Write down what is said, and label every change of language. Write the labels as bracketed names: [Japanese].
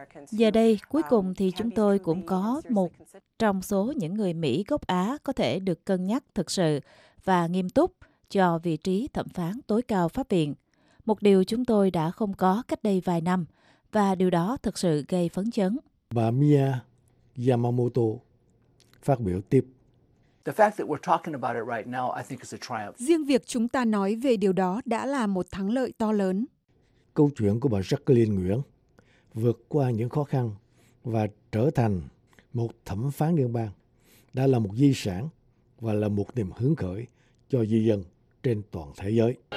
[Vietnamese] "Giờ đây, cuối cùng thì chúng tôi cũng có một trong số những người Mỹ gốc Á có thể được cân nhắc thực sự và nghiêm túc cho vị trí thẩm phán tối cao Pháp viện. Một điều chúng tôi đã không có cách đây vài năm, và điều đó thực sự gây phấn chấn." Bà Mia Yamamoto phát biểu tiếp: [English] "The fact that we're talking about it right now, I think is a triumph." [Vietnamese] Riêng việc chúng ta nói về điều đó đã là một thắng lợi to lớn. Câu chuyện của bà Jacqueline Nguyễn vượt qua những khó khăn và trở thành một thẩm phán liên bang đã là một di sản và là một niềm hứng khởi cho di dân trên toàn thế giới.